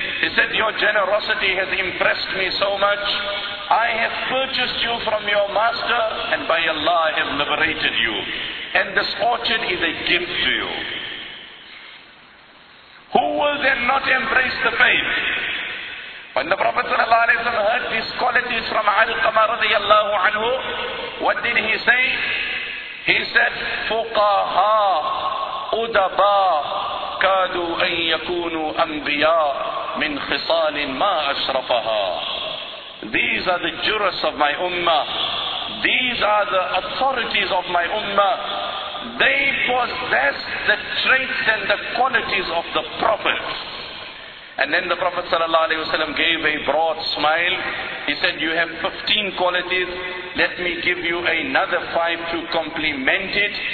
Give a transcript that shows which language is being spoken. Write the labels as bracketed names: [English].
[English] He said, your generosity has impressed me so much. I have purchased you from your master and by Allah I have liberated you. And this orchard is a gift to you. Who will then not embrace the faith? When the Prophet ﷺ heard these qualities from Alqama radiallahu anhu, what did he say? He said, [Arabic] فُقَهَا أُدَبَا كَادُوا أَن يَكُونُوا أَنْبِيَا مِنْ خِصَالٍ مَا أَشْرَفَهَا [English] These are the jurists of my ummah. These are the authorities of my ummah. They possess the traits and the qualities of the Prophet. And then the Prophet sallallahu alaihi wasallam gave a broad smile. He said, you have 15 qualities. Let me give you another 5 to complement it.